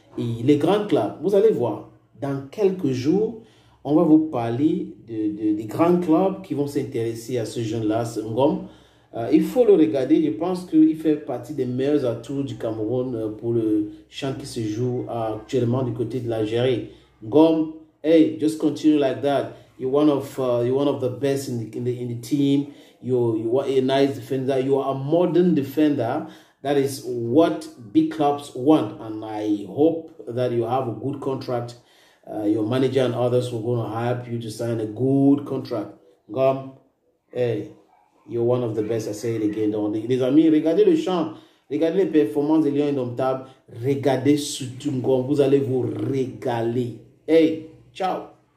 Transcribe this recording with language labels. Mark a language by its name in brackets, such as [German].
[French] Et les grands clubs, vous allez voir, dans quelques jours, on va vous parler des grands clubs qui vont s'intéresser à ce jeune-là, ce Ngom. Il faut le regarder. Je pense qu'il fait partie des meilleurs atouts du Cameroun pour le champ qui se joue actuellement du côté de l'Algérie. [English] Ngom, hey, just continue like that. You're one of the best in the team. You're a nice defender. You are a modern defender. That is what big clubs want. And I hope that you have a good contract. Your manager and others were going to help you to sign a good contract. Gom, hey, you're one of the best. I say it again. [French] Donc, les amis, regardez le champ. Regardez les performances de Lyon Indomptable. Regardez surtout Gom. Vous allez vous régaler. Hey, ciao.